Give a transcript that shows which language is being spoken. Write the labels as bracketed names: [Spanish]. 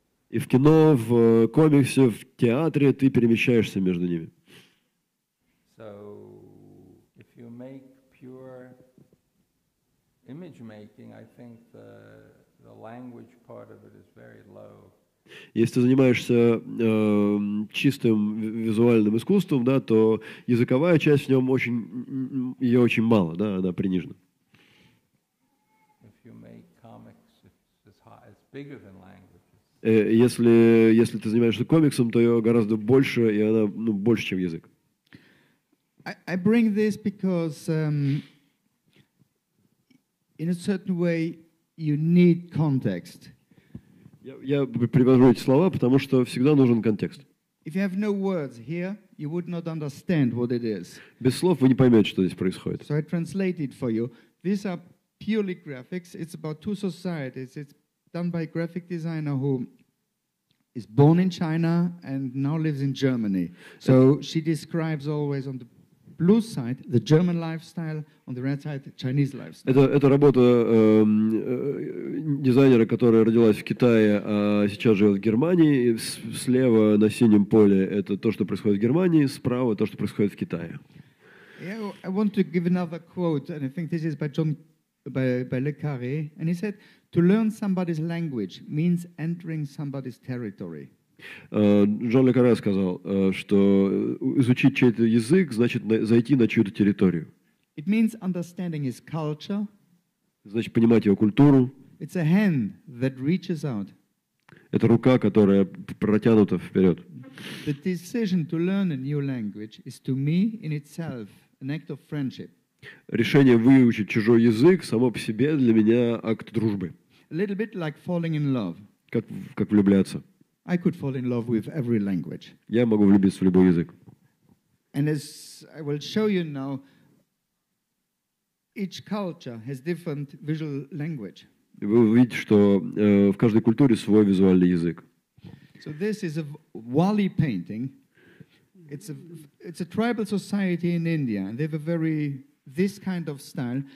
[Russian] И в кино, в комиксе, в театре ты перемещаешься между ними. [English] So if you make pure image making, I think the language part of it is very low. [Russian] Если ты занимаешься чистым визуальным искусством, да, то языковая часть в нем очень, ее очень мало, да, она принижена. Если, если ты занимаешься комиксом, то ее гораздо больше, и она, ну, больше, чем язык. [English] I bring this because in a certain way you need context. [Russian] Я привожу эти слова, потому что всегда нужен контекст. [English] If you have no words here, you would not understand what it is. [Russian] Без слов вы не поймете, что здесь происходит. [English] So I translate it for you. These are purely graphics. It's about two societies. It's done by a graphic designer who is born in China and now lives in Germany. So she describes always on the blue side the German lifestyle, on the red side the Chinese lifestyle. [Russian] Это работа дизайнера, которая родилась в Китае, а сейчас живет в Германии. Слева на синем поле это то, что происходит в Германии, справа то, что происходит в Китае. [English] I want to give another quote, and I think this is by John by Le Carré, and he said, "To learn somebody's language means entering somebody's territory." [Russian] Жан Ле Карре сказал, что изучить чей-то язык значит зайти на чью-то территорию. [English] It means understanding his culture. [Russian] Значит, понимать его культуру. [English] It's a hand that reaches out. [Russian] Это рука, которая протянута вперед. [English] The decision to learn a new language is to me in itself an act of friendship. [Russian] Решение выучить чужой язык само по себе для меня акт дружбы. [English] A little bit like falling in love. [Russian] Как влюбляться. [English] I could fall in love with every language. [Russian] Я могу влюбиться в любой язык. [English] And as I will show you now, each culture has different visual language. [Russian] Вы увидите, что в каждой культуре свой визуальный язык. [English] So this is a Wali painting. It's a tribal society in India, and they have a very this kind of style.